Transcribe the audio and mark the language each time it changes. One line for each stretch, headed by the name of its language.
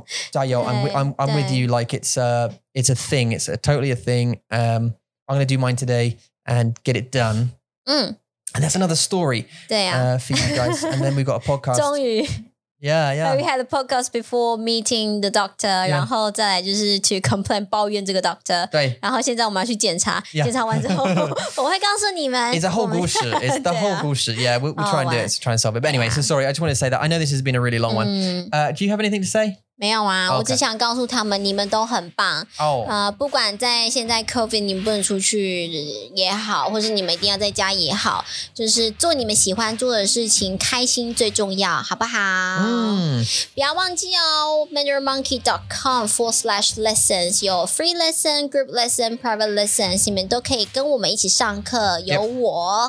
English: 加油.I'm with you. Like it's a thing. It's totally a thing. I'm going to do mine today and get it done. And that's another story for you guys. And then we've got a podcast. Yeah. We had a podcast before meeting the doctor, yeah.
Chinese: 然后再来就是
English: to complain,
Chinese: 抱怨这个 doctor. 对。然后现在我们要去检查,
English: yeah.
Chinese: 检查完之后, 我会告诉你们。
English: It's a whole bullshit. It's the whole bullshit. Yeah, we'll try and do it. So try and solve it. But anyway, yeah. So sorry, I just wanted to say that. I know this has been a really long one. Do you have anything to say?
Chinese: 没有啊, okay. 我只想告诉他们, 你们都很棒。不管在现在 COVID, 你们不能出去也好, 或是你们一定要在家也好, 就是做你们喜欢做的事情, 开心最重要, 好不好? 不要忘记哦, mandarinmonkey.com/lessons, 有
English: free lesson, group lesson, private lessons,
Chinese: 你们都可以跟我们一起上课, 有我, yep.